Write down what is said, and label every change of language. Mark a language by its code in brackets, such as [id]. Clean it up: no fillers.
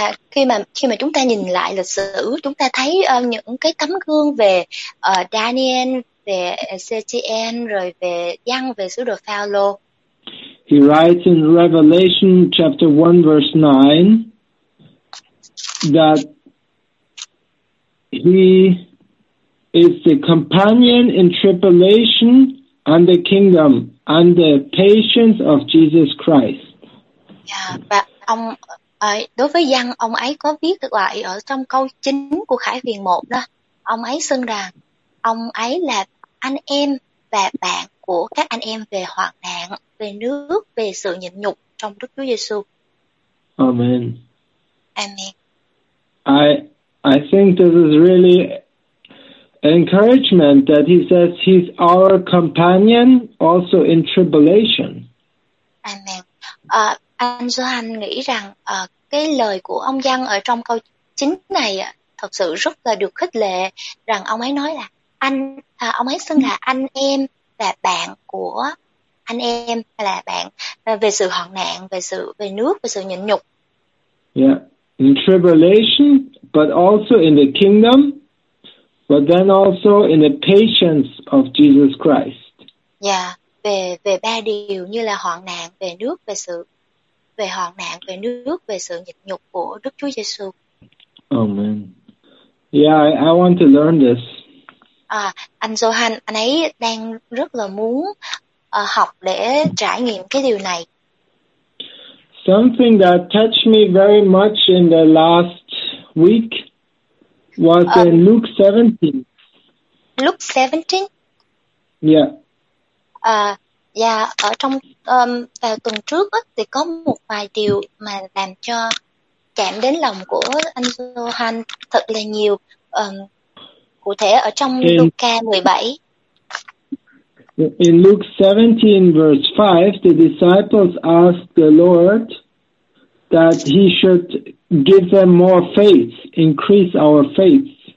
[vi] Khi mà chúng ta nhìn lại lịch sử, chúng ta thấy những cái tấm gương về Daniel, về Ezekiel, rồi về Giăng, về sứ đồ Phaolô. [en] He writes in Revelation chapter 1 verse 9 that he is the companion in tribulation and the kingdom and the patience of Jesus Christ. [vi] Yeah, và ông đối với Giăng, ông ấy có viết lại ở trong câu 9 của Khải Huyền 1 đó. Ông ấy xưng rằng ông ấy là anh em và bạn của các anh em về hoạn nạn, về nước, về sự nhịn nhục trong Đức Chúa Giêsu. [en] Amen. Amen. I think this is really encouragement that he says he's our companion also in tribulation. Amen. [vi] Anh Johan nghĩ rằng cái lời của ông Giăng ở trong câu 9 này thật sự rất là được khích lệ, rằng ông ấy nói là ông ấy xưng là anh em và bạn của anh em, là bạn về sự hoạn nạn, về nước, về sự nhịn nhục. [en] Yeah, in tribulation but also in the kingdom. But then also in the patience of Jesus Christ. [vi] Yeah, về ba điều như là hoạn nạn, về nước, về sự nhịn nhục của Đức Chúa Giêsu. [en] Amen. Yeah, I want to learn this. [vi] Anh Johan, anh ấy đang rất là muốn học để trải nghiệm cái điều này. [en] Something that touched me very much in the last week was in Luke 17. Luke 17? Yeah. [vi] Ở trong vào tuần trước á, thì có một vài điều mà làm cho chạm đến lòng của anh Johan thật là nhiều. Cụ thể ở trong Luca 17. [en] In Luke 17 verse 5, the disciples asked the Lord that he should give them more faith, increase our faith.